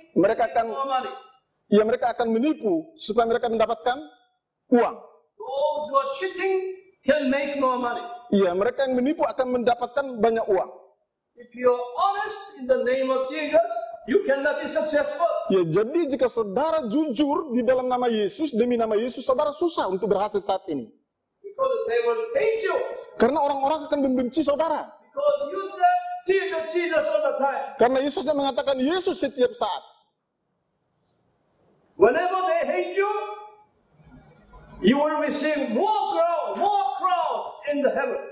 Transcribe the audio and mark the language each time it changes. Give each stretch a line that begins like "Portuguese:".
Indonesian: mereka akan, mereka akan menipu supaya mereka mendapatkan uang.
English: Those who are cheating can make more money.
Indonesian: Ya, mereka yang menipu akan mendapatkan banyak uang.
English: If you are honest in the name of Jesus, you cannot be successful.
Indonesian: Ya, jadi jika saudara jujur di dalam nama Yesus, demi nama Yesus, saudara susah untuk berhasil saat ini.
English: Because they will hate you.
Indonesian: Karena orang-orang akan membenci saudara.
English: Because you said Jesus all the time.
Indonesian: Karena Yesus yang mengatakan Yesus setiap saat.
English: Whenever they hate you, You will receive more crown in the heaven.